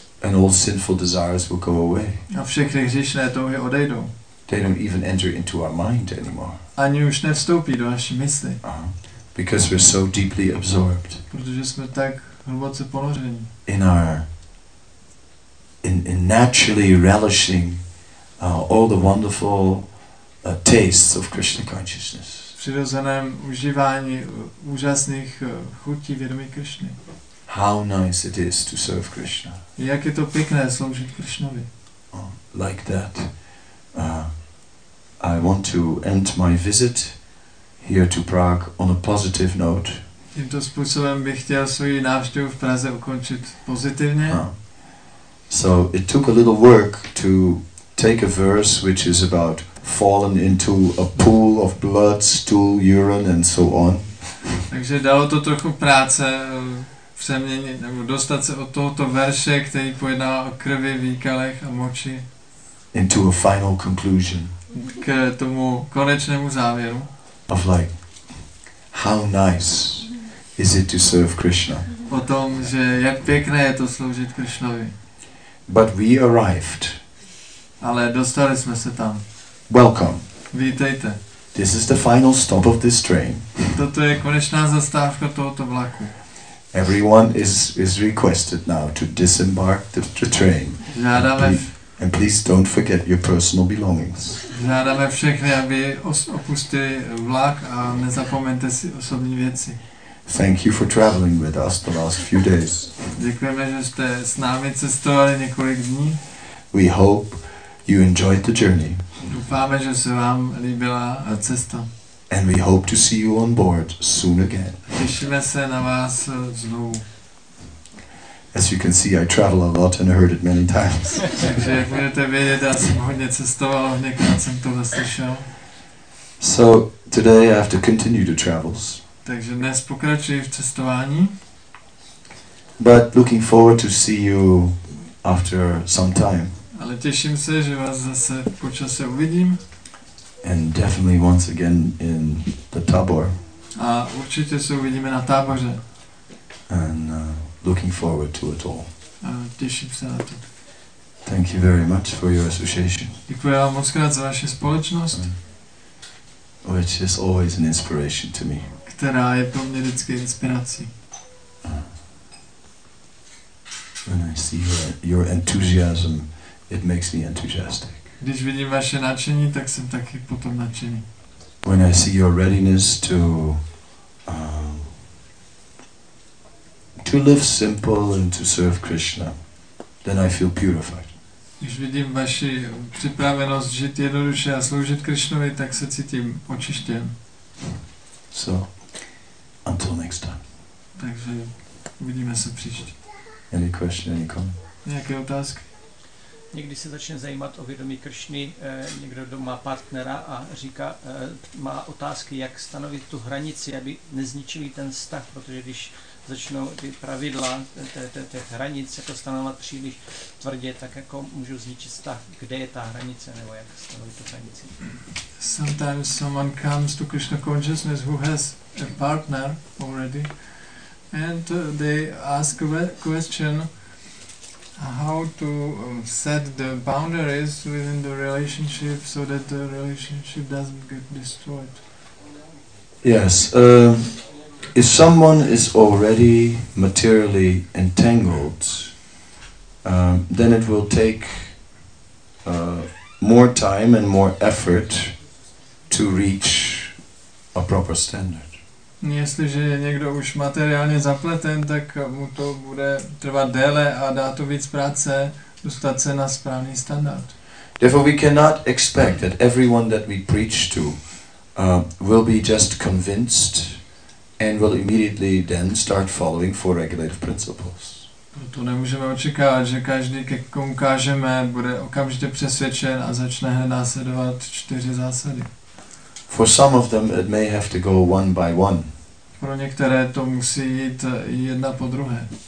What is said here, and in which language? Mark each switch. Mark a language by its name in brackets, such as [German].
[English] And all sinful desires will go away. [Czech] A všechny hříšné touhy odejdou. [English] They don't even enter into our mind anymore. [Czech] Ani už nevstoupí do naší mysli. [English] Because we're so deeply absorbed. [Czech] Protože jsme tak hluboce ponořeni. [English] In naturally relishing all the wonderful tastes of Krishna consciousness. [Czech] Přirozeném užívání úžasných chutí vědomí Kršny. [English] How nice it is to serve Krishna. [Czech] Jak je to pěkné sloužit Kršnovi. [English] Like that. I want to end my visit here to Prague on a positive note. [Czech] Tímto způsobem bych chtěl svůj návštěvu v Praze ukončit pozitivně. [English] So it took a little work to take a verse which is about fallen into a pool of blood, stool, urine and so on. [Czech] Takže dalo to trochu práce přeměnit nebo dostat se od tohoto verše, který pojednává o krvi, výkalech a moči, [English] into a final conclusion. [Czech] K tomu konečnému závěru. [English] Of like, how nice is it to serve Krishna? [Czech] O tom, že jak pěkné je to sloužit Krishnovi. [English] But we arrived. [Czech] Ale dostali jsme se tam. [English] Welcome. [Czech] Vítejte. [English] This is the final stop of this train. [Czech] Toto je konečná zastávka tohoto vlaku. [English] Everyone is requested now to disembark the train. And please don't forget your personal belongings. [Czech] Žádáme všechny, aby opustili vlak a nezapomeňte si osobní věci. [English] Thank you for traveling with us the last few days. [Czech] Děkujeme, že jste s námi cestovali několik dní. [English] We hope you enjoyed the journey. [Czech] Doufáme, že se vám líbila cesta. [English] And we hope to see you on board soon again. [Czech] Těšíme se na vás znovu. [English] As you can see, I travel a lot and heard it many times. [Czech] Takže jak můžete vědět, já jsem hodně cestoval, hodněkrát jsem to slyšel. [English] So today I have to continue the travels. [Czech] Takže dnes pokračuji v cestování. [English] But looking forward to see you after some time. [Czech] Ale těším se, že vás zase po čase uvidím. [English] And definitely once again in the Tabor. [Czech] A určitě se uvidíme na Táboře. [English] And looking forward to it all. [Czech] A těším se na to. [English] Thank you very much for your association. [Czech] Děkuji vám moc krát za vaši společnost. [English] Which is always an inspiration to me. [Czech] Která je pro mě vždycky inspirací. [English] When I see your enthusiasm, it makes me enthusiastic. [Czech] Když vidím vaše nadšení, tak jsem taky potom nadšený. [English] When I see your readiness to live simple and to serve Krishna, then I feel purified. [Czech] Když vidím vaši připravenost žít jednoduše a sloužit Krishnovi, tak se cítím očištěn. [English] So, until next time. [Czech] Takže uvidíme se příště. [English] Any question, any comment? [Czech] Nějaké otázky? Někdy se začne zajímat o vědomí Kršny, někdo má partnera a říká, má otázky, jak stanovit tu hranici, aby nezničili ten vztah, protože když začnou ty pravidla, ty hranice to stanovat příliš tvrdě, tak jako můžu zničit vztah, kde je ta hranice, nebo jak stanovit tu hranici. [English] Sometimes someone comes to Krishna consciousness who has a partner already, and they ask a question, how to set the boundaries within the relationship so that the relationship doesn't get destroyed. Yes, if someone is already materially entangled, then it will take more time and more effort to reach a proper standard. [Czech] Jestliže je někdo už materiálně zapleten, tak mu to bude trvat déle a dá to víc práce dostat se na správný standard. [English] Therefore we cannot expect that everyone that we preach to will be just convinced and will immediately then start following four regulative principles. [Czech] Proto nemůžeme očekávat, že každý, ke komu kážeme, bude okamžitě přesvědčen a začne hned následovat čtyři zásady. [English] For some of them it may have to go one by one. Pro některé to musí jít jedna po druhé.